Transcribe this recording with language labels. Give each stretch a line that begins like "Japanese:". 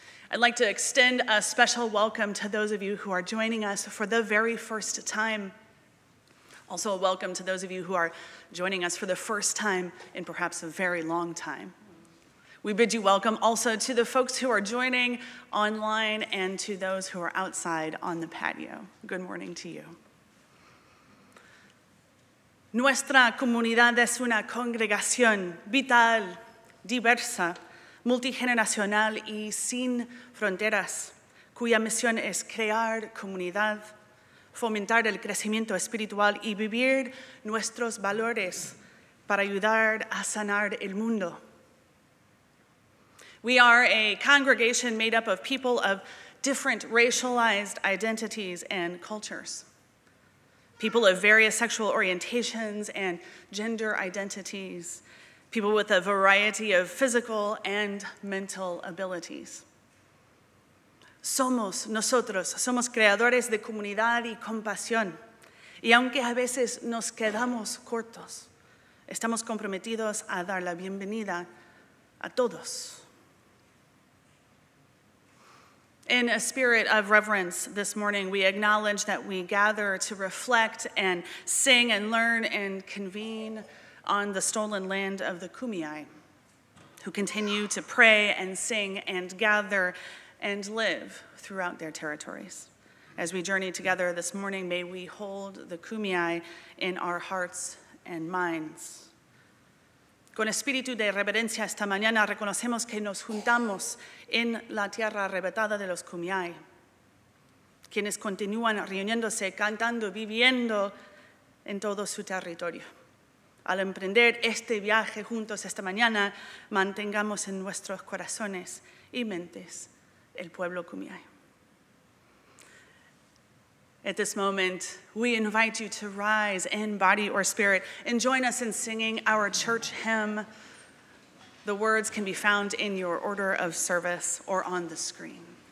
English: I'd like to extend a special welcome to those of you who are joining us for the very first time. Also, a welcome to those of you who are joining us for the first time in perhaps a very long time. We bid you welcome also to the folks who are joining online and to those who are outside on the patio. Good morning to you.
Spanish: Nuestra comunidad es una congregación vital, diversa, multigeneracional y sin fronteras, cuya misión es crear comunidad, fomentar el crecimiento espiritual y vivir nuestros valores para ayudar a sanar el mundo.
English: We are a congregation made up of people of different racialized identities and cultures, people of various sexual orientations and gender identities, people with a variety of physical and mental abilities.
Spanish: Somos nosotros, somos creadores de comunidad y compasión, y aunque a veces nos quedamos cortos, estamos comprometidos a dar la bienvenida a todos.
English: In a spirit of reverence this morning, we acknowledge that we gather to reflect and sing and learn and convene on the stolen land of the Kumeyaay, who continue to pray and sing and gather and live throughout their territories. As we journey together this morning, may we hold the Kumeyaay in our hearts and minds.
Spanish: Con espíritu de reverencia esta mañana reconocemos que nos juntamos en la tierra arrebatada de los Kumeyaay, quienes continúan reuniéndose, cantando, viviendo en todo su territorio. Al emprender este viaje juntos esta mañana, mantengamos en nuestros corazones y mentes el pueblo Kumeyaay.
English: At this moment, we invite you to rise in body or spirit and join us in singing our church hymn. The words can be found in your order of service or on the screen.